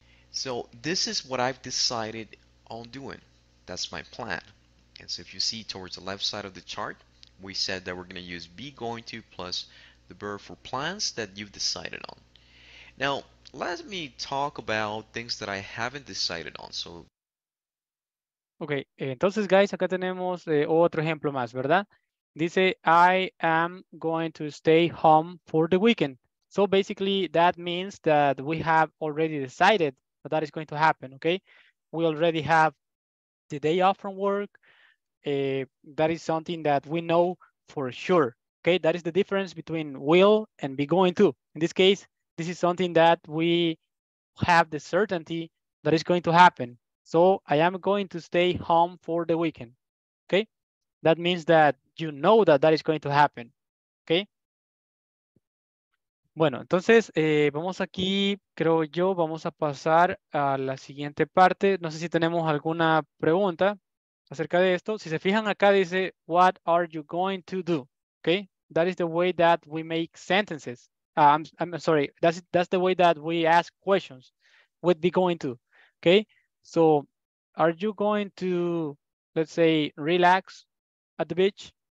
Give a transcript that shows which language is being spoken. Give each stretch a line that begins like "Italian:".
English: So this is what I've decided on doing. That's my plan. And so if you see towards the left side of the chart, we said that we're going to use be going to plus the verb for plans that you've decided on. Now, let me talk about things that I haven't decided on. So,
Spanish: okay, entonces, guys, acá tenemos otro ejemplo más, ¿verdad?
English: Dice, I am going to stay home for the weekend. So, basically, that means that we have already decided that that is going to happen, okay? We already have the day off from work. That is something that we know for sure. Okay, that is the difference between will and be going to. In this case, this is something that we have the certainty that is going to happen. So I am going to stay home for the weekend. Okay, that means that you know that that is going to happen. Okay.
Spanish: Bueno, entonces vamos aquí, creo yo, vamos a pasar a la siguiente parte. No sé si tenemos alguna pregunta acerca de esto. Si se fijan acá dice,
English: what are you going to do? Okay, that is the way that we make sentences. I'm sorry, that's the way that we ask questions with be going to. Okay, so are you going to, let's say, relax at the beach?